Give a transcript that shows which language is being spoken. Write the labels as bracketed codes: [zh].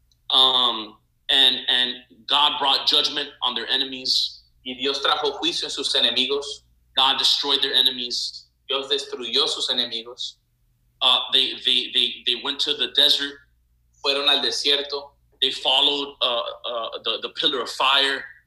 [en] And God brought judgment on their enemies. [es] Y Dios trajo juicio en sus enemigos. [en] God destroyed their enemies. [es] Dios destruyó sus enemigos. [en] They went to the desert. [es] Fueron al desierto. [en] They followed the pillar of fire.